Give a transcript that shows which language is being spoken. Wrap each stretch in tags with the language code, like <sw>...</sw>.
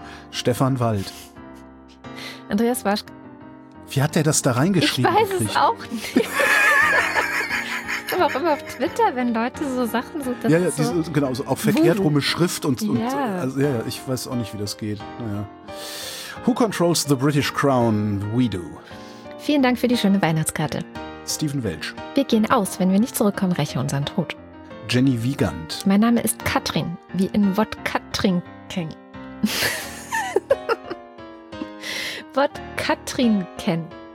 <de>Stefan Wald. Andreas Waschk. Wie hat der das da reingeschrieben? Ich weiß es auch nicht. Aber auch immer auf Twitter, wenn Leute so Sachen so. Das ja, ja, ist so ist, genau, so auch verkehrt rum mit Schrift und yeah. Also, ja, ja, ich weiß auch nicht, wie das geht. Naja.</de> <en>Who controls the British crown? We do.</en> <de>Vielen Dank für die schöne Weihnachtskarte. Stephen Welch. Wir gehen aus, wenn wir nicht zurückkommen, räche unseren Tod. Jenny Wiegand. Mein Name ist Katrin, wie in Wodkatrinken. Wodkatrinken.</de>